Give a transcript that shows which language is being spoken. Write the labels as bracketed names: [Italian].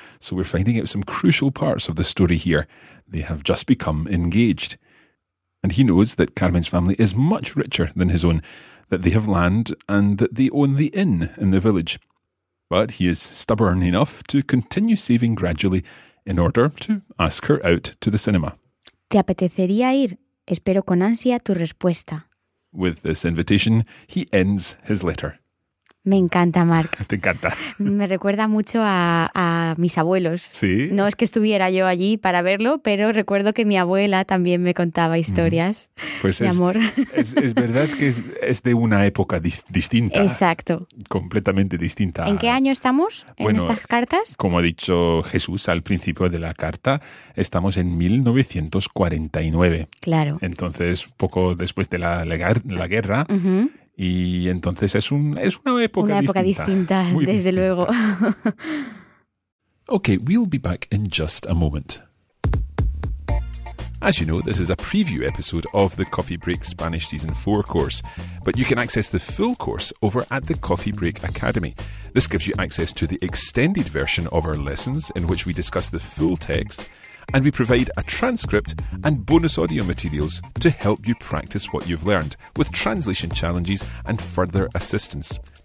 [English] So we're finding out some crucial parts of the story here. They have just become engaged. And he knows that Carmen's family is much richer than his own, that they have land and that they own the inn in the village. But he is stubborn enough to continue saving gradually in order to ask her out to the cinema. [Spanish] ¿Te apetecería ir? Espero con ansia tu respuesta. [English] With this invitation, he ends his letter. [Spanish] Me encanta, Mark. Te encanta. Me recuerda mucho a mis abuelos. Sí. No es que estuviera yo allí para verlo, pero recuerdo que mi abuela también me contaba historias de amor. Es verdad que es de una época distinta. Exacto. Completamente distinta. ¿En qué año estamos en estas cartas? Como ha dicho Jesús al principio de la carta, estamos en 1949. Claro. Entonces, poco después de la guerra. Uh-huh. Y entonces es una época distinta, desde luego. [English] Okay, we'll be back in just a moment. As you know, this is a preview episode of the Coffee Break Spanish Season 4 course, but you can access the full course over at the Coffee Break Academy. This gives you access to the extended version of our lessons in which we discuss the full text, and we provide a transcript and bonus audio materials to help you practice what you've learned with translation challenges and further assistance.